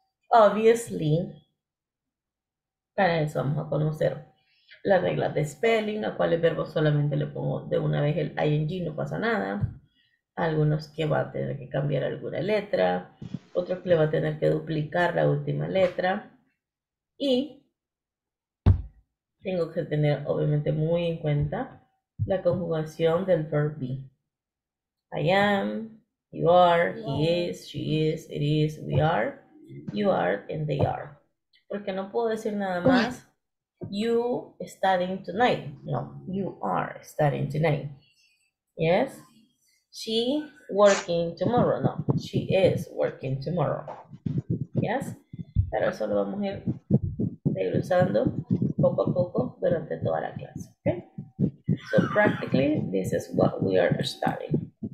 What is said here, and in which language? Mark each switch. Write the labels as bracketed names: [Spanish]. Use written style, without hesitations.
[English] Obviously, [Spanish] para eso vamos a conocer las reglas de spelling, a cuáles verbos solamente le pongo de una vez el ing, no pasa nada. Algunos que va a tener que cambiar alguna letra, otros que le va a tener que duplicar la última letra. Y tengo que tener obviamente muy en cuenta la conjugación del verb be. [English] I am, you are, he is, she is, it is, we are, you are, and they are. [Spanish] Porque no puedo decir nada más, [English] you studying tonight. No, you are studying tonight. Yes? She working tomorrow. No, she is working tomorrow. Yes? [Spanish] Pero eso lo vamos a ir regresando poco a poco durante toda la clase. [English] Okay? So practically, this is what we are studying.